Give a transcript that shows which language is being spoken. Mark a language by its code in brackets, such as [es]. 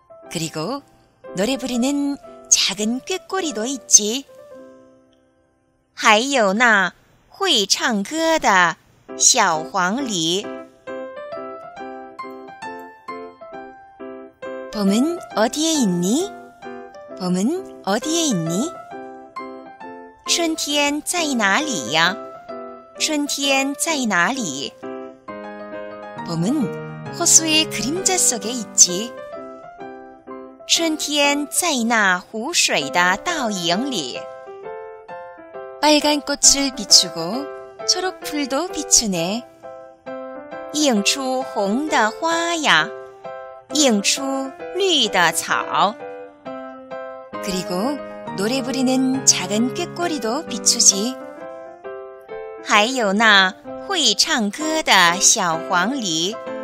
[ko] 그리고 노래 부르는 작은 꾀꼬리도 있지. [zh] 还有那会唱歌的 小黄鹂. [ko] 봄은 어디에 있니? 봄은 어디에 있니? [zh] 春天 在 哪里야? 春天 在 哪里? [ko] 봄은 호수의 그림자 속에 있지. [zh] 春天 在 那 湖水的 倒影里. [ko] 빨간 꽃을 비추고 초록풀도 비추네. [zh] 映出紅的花呀映出綠的草 [ko] 그리고노래부리는작은꾀꼬리도비추지 [zh] 还有那会唱歌的小黄鹂